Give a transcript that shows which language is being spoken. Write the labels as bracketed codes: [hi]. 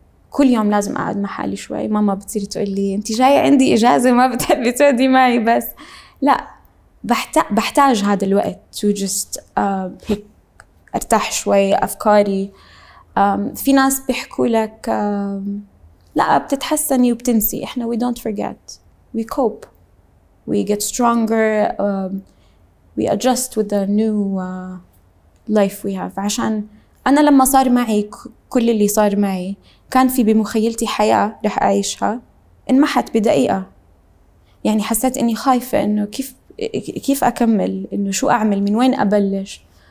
[ar] كل يوم لازم أقعد مع حالي شوي. ماما بتصير تقول لي أنت جاي عندي إجازة ما بتحبي تقعدي معي، بس لا بحتاج هذا الوقت to just أرتاح شوي أفكاري. في ناس بيحكوا لك لا بتتحسني وبتنسي. [en] إحنا we don't forget, we cope, we get stronger, we adjust with the new life we have. [ar] عشان أنا لما صار معي كل اللي صار معي كان في بمخيلتي حياة رح أعيشها انمحت بدقيقة. يعني حسيت إني خايفة إنه كيف أكمل، إنه شو أعمل، من وين أبلش.